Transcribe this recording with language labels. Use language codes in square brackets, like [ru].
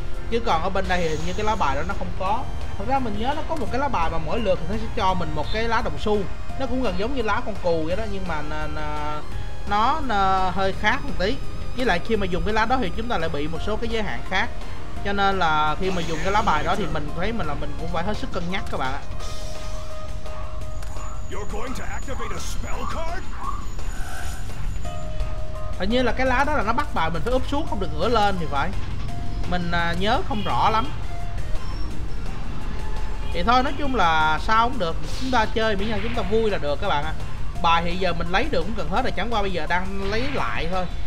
[vi] Chứ còn ở bên đây thì hình như cái lá bài đó nó không có. Thật ra mình nhớ nó có một cái lá bài mà mỗi lượt nó sẽ cho mình một cái lá đồng xu. Nó cũng gần giống như lá con cừu vậy đó, nhưng mà nó hơi khác một tí. Với lại khi mà dùng cái lá đó thì chúng ta lại bị một số cái giới hạn khác. Cho nên là khi mà dùng cái lá bài đó thì mình thấy mình là mình cũng phải hết sức cân nhắc các bạn ạ. [en] You're going to activate a spell card? [vi] Hình như là cái lá đó là nó bắt bài mình phải úp xuống, không được ngửa lên thì phải. Mình nhớ không rõ lắm. Thì thôi, nói chung là sao cũng được, chúng ta chơi miễn là chúng ta vui là được các bạn ạ. Bài hiện giờ mình lấy được cũng gần hết rồi, chẳng qua bây giờ đang lấy lại thôi.